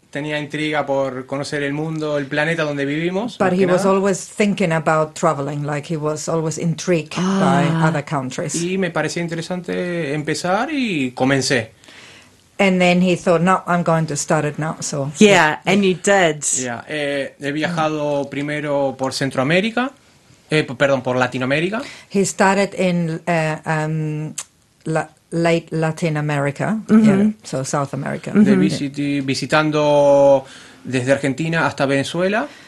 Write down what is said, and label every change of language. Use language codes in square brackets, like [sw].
[es] Tenía intriga por conocer el mundo, el planeta donde vivimos. [en] But he was always thinking about traveling, like he was always intrigued by other countries. [es] Y me parecía interesante empezar y comencé. [en] And then he thought, no, I'm going to start it now, so. Yeah, and you did. [es] Yeah, he viajado primero por Centroamérica, perdón, por Latinoamérica. [en] He started in late Latin America, so South America. [es] Visitando desde Argentina hasta Venezuela.